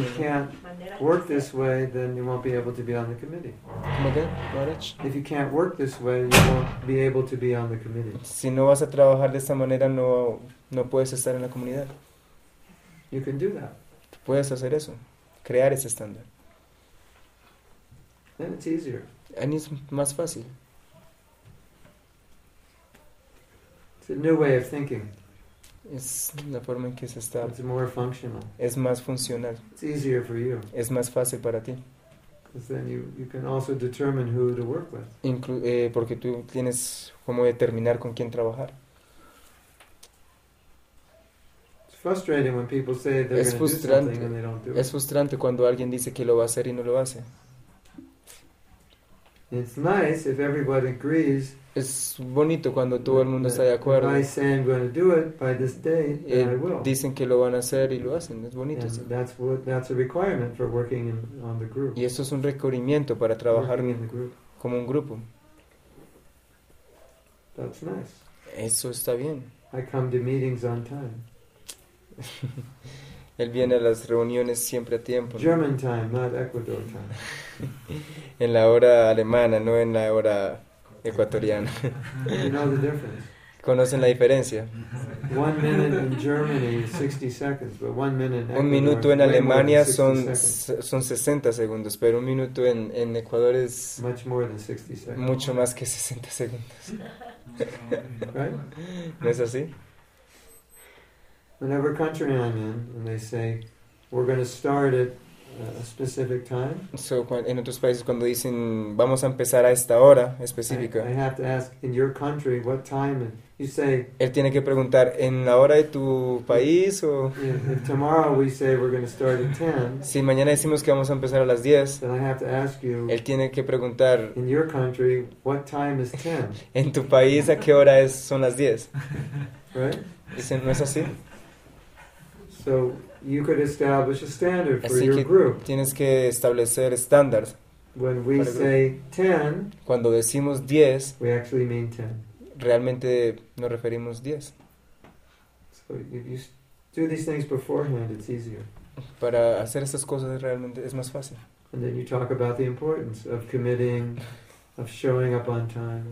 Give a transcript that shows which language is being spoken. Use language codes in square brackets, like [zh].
[en] If you can't work this way, then you won't be able to be on the committee. [es] ¿Cómo que? ¿Marech? [en] If you can't work this way, you won't be able to be on the committee. [es] Si no vas a trabajar de esta manera, no puedes estar en la comunidad. [en] You can do that. [es] Puedes hacer eso, crear ese estándar. [en] Then it's easier. [es] And es más fácil. [en] It's a new way of thinking. [es] Es la forma en que se está. [en] It's more functional. [es] Es más funcional. [en] It's easier for you. [es] Es más fácil para ti. [en] Because then you can also determine who to work with. [es] Porque tú tienes cómo determinar con quién trabajar. [en] Frustrating when people say they're going to do something and they don't do it. [es] Es frustrante cuando alguien dice que lo va a hacer y no lo hace. [en] It's nice if everybody agrees. [es] Es bonito cuando todo el mundo está de acuerdo. [en] If I say I'm going to do it by this date, then I will. [es] Dicen que lo van a hacer y lo hacen. Es bonito. [en] And that's a requirement for working on the group. [es] Y eso es un requerimiento para trabajar como un grupo. [en] That's nice. [es] Eso está bien. [en] I come to meetings on time. [es] Él viene a las reuniones siempre a tiempo, ¿no? [en] German time, not Ecuador time. [es] En la hora alemana, no en la hora ecuatoriana. [en] You know the difference. [es] ¿Conocen la diferencia? [en] 1 minute in Germany is 60 seconds, but 1 minute in Ecuador. [es] Un minuto en Alemania son 60 segundos, pero un minuto en Ecuador es [en] much more than 60 seconds. [es] Mucho más que 60 segundos. [en] Right? [es] ¿No es así? [en] Whenever country I'm in, and they say we're going to start at a specific time. [es] So, en otros países cuando dicen vamos a empezar a esta hora específica. [en] I have to ask in your country what time, and you say. [es] Él tiene que preguntar en la hora de tu país o. [en] If tomorrow we say we're going to start at 10. [es] Si mañana decimos que vamos a empezar a las 10. [en] Then I have to ask you. [es] Él tiene que preguntar. [en] In your country, what time is 10? [es] En tu país, ¿a qué hora son las 10? [en] Right. [es] Dicen, ¿no es así? [en] So you could establish a standard for [es] así [en] your group. [es] Tienes que establecer estándares. [en] When we say 10, [es] cuando decimos 10, [en] we actually mean 10. [es] Realmente nos referimos 10. [en] So if you do these things beforehand, it's easier. [es] Para hacer estas cosas realmente es más fácil. [en] And then you talk about the importance of committing, of showing up on time.